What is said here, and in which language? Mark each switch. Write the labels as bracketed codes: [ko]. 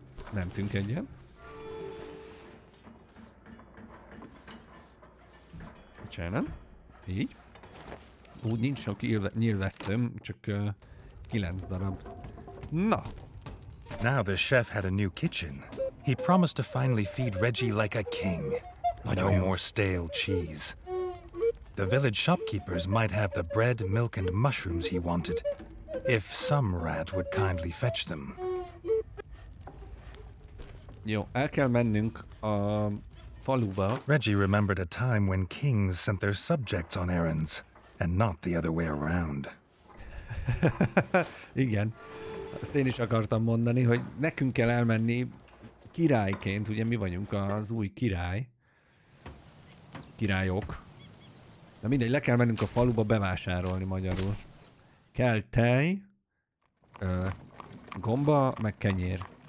[hu] Mentünk egyen. Csinálom, így. Úgy nincs sok nyilvesszöm, csak 9 darab. Na! [en] Now the chef had a new kitchen. He promised to finally feed Reggie like a king. No more stale cheese. The village shopkeepers might have the bread, milk, and mushrooms he wanted, if some rat would kindly fetch them. [hu] Jó, el kell mennünk a faluba. [en] Reggie remembered a time when kings sent their subjects on errands, and not the other way around. [hu] Igen. Ezt én is akartam mondani, hogy nekünk kell elmenni királyként, ugye mi vagyunk az új király. királyok. De mindegy, le kell mennünk a faluba bevásárolni magyarul. Kell tej, gomba, meg kenyér.